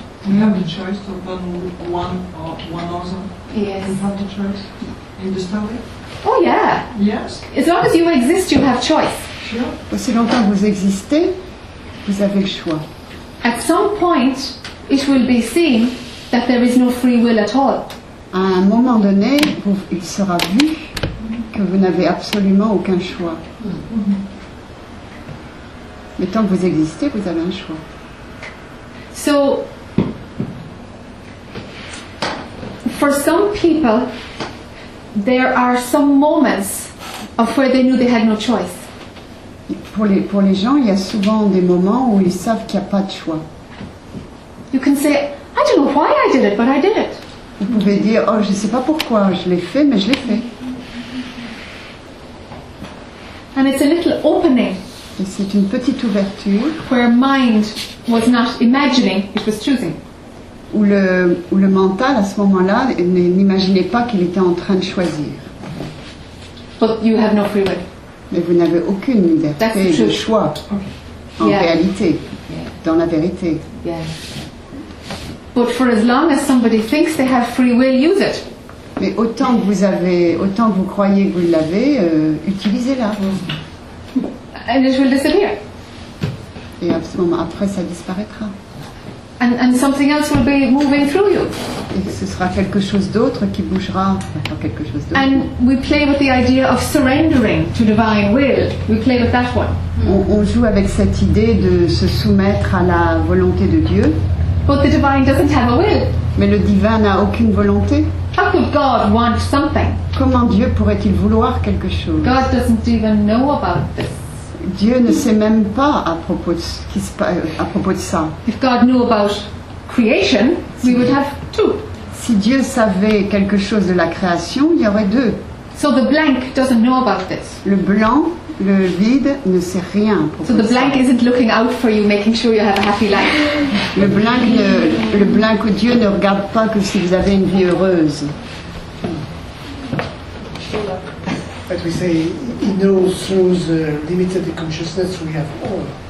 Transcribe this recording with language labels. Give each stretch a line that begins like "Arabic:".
English: We have the choice to open one or one other. Yes. We have the choice in the story. Oh yeah. Yes. As long as you exist, you have choice. Sure.
French: Aussi longtemps que vous existez, vous avez le choix.
English: At some point, it will be seen that there is no free will at all.
French: À un moment donné, il sera vu que vous n'avez absolument aucun choix. Mais tant que vous existez, vous avez un choix.
English: So, for some people, there are some moments of where they knew they had no choice.
French: Pour les gens, il y a souvent des moments où ils savent qu'il n'y a pas de choix.
English: You can say, I don't know why I did it, but I did it.
French: Vous pouvez dire, oh, je ne sais pas pourquoi je l'ai fait, mais je l'ai fait.
English: And it's a little opening.
French: Et c'est une petite ouverture
English: where mind was not imagining, it was choosing.
French: Où le mental à ce moment-là n'imaginait pas qu'il était en train de choisir.
English: But you have no free will.
French: Mais vous n'avez aucune liberté.
English: That's the truth.
French: De choix.
English: Okay.
French: En
English: yeah.
French: réalité,
English: yeah.
French: dans la vérité.
English: Yeah. But for as long as somebody thinks they have free will, use it.
French: Mais autant que vous avez, autant que vous croyez que vous l'avez, utilisez-la.
English: And it will disappear.
French: Et à ce moment, après, ça disparaîtra.
English: And something else will be moving through you.
French: Et ce sera quelque chose d'autre qui bougera, enfin, quelque chose d'autre.
English: And we play with the idea of surrendering to divine will. We play with that one.
French: On joue avec cette idée de se soumettre à la volonté de Dieu.
English: But the divine doesn't have a will.
French: Mais le divin n'a aucune volonté.
English: How could God want something?
French: Comment Dieu pourrait-il vouloir quelque chose?
English: God doesn't even know about this.
French: Dieu ne sait même pas à propos de ça.
English: If God knew about creation, we would have two.
French: Si Dieu savait quelque chose de la création, il y aurait deux.
English: So the blank doesn't know about this.
French: Le blanc, le vide, ne sait rien à propos de ça.
English: So the blank isn't looking out for you, making sure you have a happy life.
French: Le blank, Dieu ne regarde pas que si vous avez une vie heureuse.
English: But we say, he knows through the limited consciousness we have all.